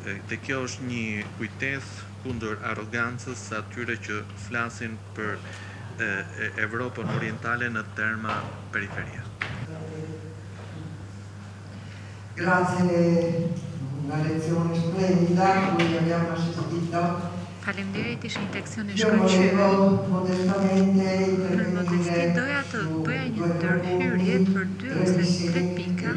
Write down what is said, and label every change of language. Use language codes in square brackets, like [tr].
[sq] Dhe kjo është një kujtesë kundër arrogancës atyre që flasin për Evropën orientale në terma periferia. [it] Grazie, una lezione splendida, come abbiamo assistito. [sq] Faleminderit, ishte një leksion i shkëlqyer. Në më tekstit doja të bëja një ndërhyrje për 2 ose 3 pika